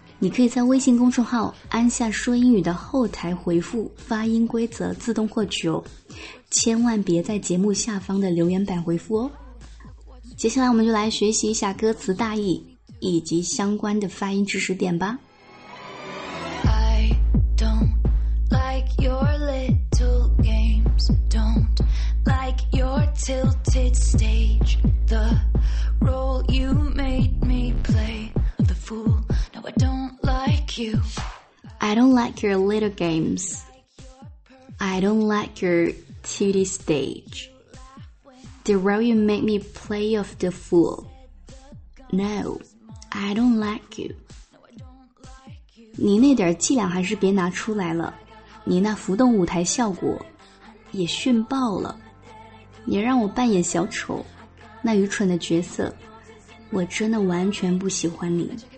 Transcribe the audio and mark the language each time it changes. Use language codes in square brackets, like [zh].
[zh] 你可以在微信公众号安夏说英语的后台回复发音规则自动获取哦，千万别在节目下方的留言板回复哦。接下来我们就来学习一下歌词大意以及相关的发音知识点吧。 [en] I don't like your little games, don't like your tilted stage, the role you made me play, the fool, no I don't. I don't like your little games. I don't like your 2D stage. The role you make me play of the fool. No, I don't like you. [zh] 你那点伎俩还是别拿出来了，你那浮动舞台效果也逊爆了，也让我扮演小丑那愚蠢的角色，我真的完全不喜欢你。